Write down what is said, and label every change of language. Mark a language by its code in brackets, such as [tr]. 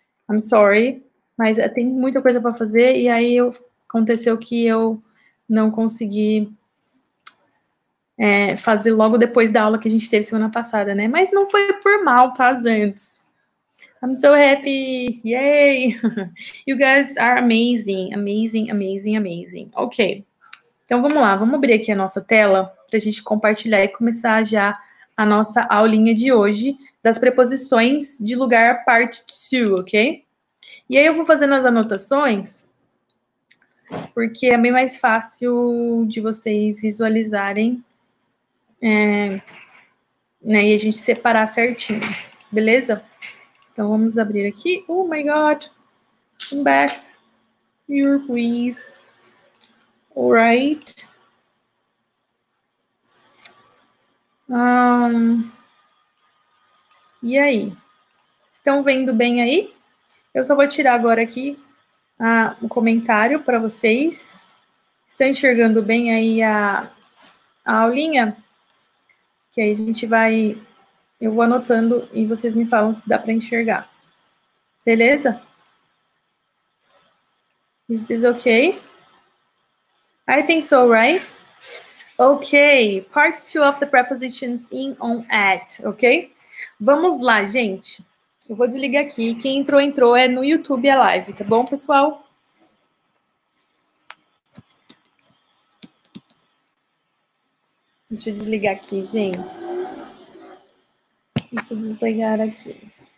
[en] I'm sorry, [pt] mas tem muita coisa para fazer, e aí aconteceu que eu não consegui fazer logo depois da aula que a gente teve semana passada, né? Mas não foi por mal, tá, Zantos? [en] I'm so happy! Yay! You guys are amazing, amazing, amazing, amazing. [pt] Ok. Então, vamos lá. Vamos abrir aqui a nossa tela pra gente compartilhar e começar já a nossa aulinha de hoje das preposições de lugar parte 2, ok? E aí eu vou fazendo as anotações porque é bem mais fácil de vocês visualizarem e a gente separar certinho, beleza? Então vamos abrir aqui. [en] Oh my God, come back here, please. All right. [pt] E aí? Estão vendo bem aí? Eu só vou tirar agora aqui o comentário para vocês. Estão enxergando bem aí a aulinha? Que aí a gente vai, eu vou anotando e vocês me falam se dá para enxergar. Beleza? [en] Is this okay? I think so, right? Okay, part two of the prepositions in, on, at, okay? [pt] Vamos lá, gente. Eu vou desligar aqui. Quem entrou, entrou. É no YouTube a live, tá bom, pessoal? Deixa eu desligar aqui, gente. Deixa eu desligar aqui.